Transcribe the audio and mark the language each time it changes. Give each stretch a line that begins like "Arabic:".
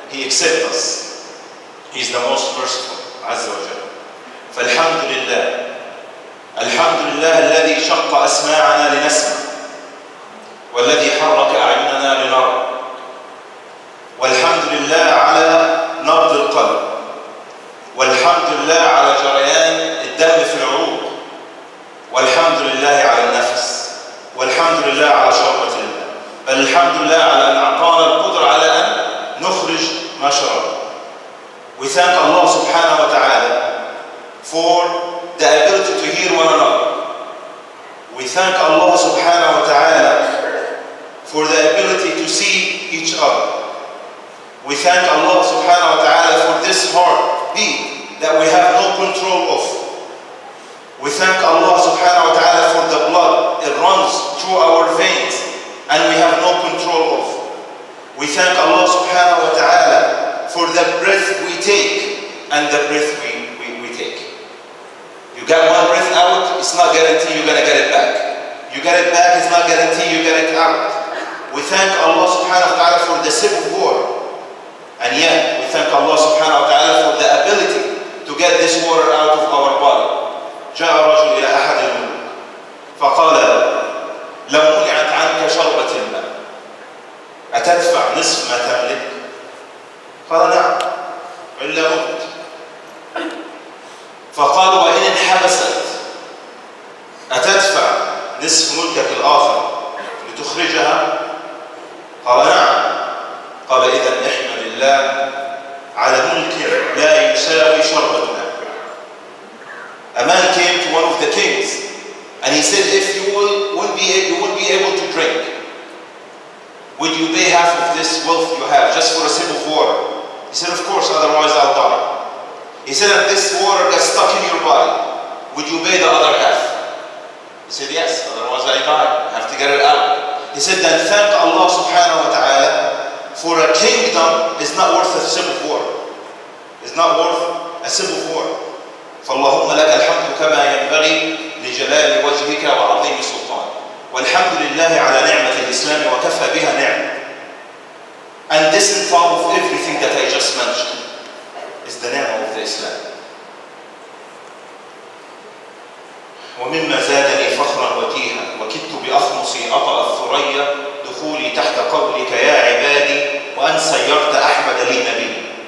English: accept us, He's the most merciful,
Arabic: عز وجل. فالحمد لله. الحمد لله الذي شق أسماعنا لنسمع والذي حرك أعيننا لنرى. والحمد لله على نبض القلب. والحمد لله على جريان الدم في العروق. والحمد لله على النفس. والحمد لله على شربة الماء. بل الحمد لله على أن أعطانا القدرة على أن نخرج ما شرب.
English: We thank Allah subhanahu wa ta'ala for the ability to hear one another. We thank Allah subhanahu wa ta'ala for the ability to see each other. We thank Allah subhanahu wa ta'ala for this heartbeat that we have no control of. We thank Allah subhanahu wa ta'ala for the blood it runs through our veins and we have no control of. We thank Allah subhanahu wa ta'ala for the breath we take and the breath we take. You get one breath out, it's not guaranteed you're gonna get it back. You get it back, it's not guaranteed you get it out. We thank Allah subhanahu wa ta'ala for the sip of water. And yet, we thank Allah subhanahu wa ta'ala for the ability to get this water out of our body.
Arabic: جاء رجل إلى أحد الملوك فقال لو منعت عنك شربة الماء أتدفع نصف ما تملك؟ قال نعم إلا مت. فقال وإن انحبست أتدفع نصف ملكك الآخر لتخرجها؟ قال نعم. قال إذا احمد الله على ملك لا يساوي شربة الماء.
English: A man came to one of the kings and he said, if you would be able to drink, would you pay half of this wealth you have just for a sip of water? He said, of course, otherwise I'll die. He said, if this water gets stuck in your body, would you pay the other half? He said, yes, otherwise I die. I have to get it out. He said, then thank Allah subhanahu wa ta'ala for a kingdom is not worth a sip of water. It's not worth a sip of water.
Arabic: فاللهم لك الحمد كما ينبغي لجلال وجهك وعظيم سلطان والحمد لله على نعمة الإسلام وكفى بها نعمة.
English: And this on top of everything that I just mentioned is the name of the Islam.
Arabic: ومما زادني فخرا وتيها وكدت بأخمصي أطأ الثريا دخولي تحت قولك يا عبادي وأن سيرت أحمد لي نبي.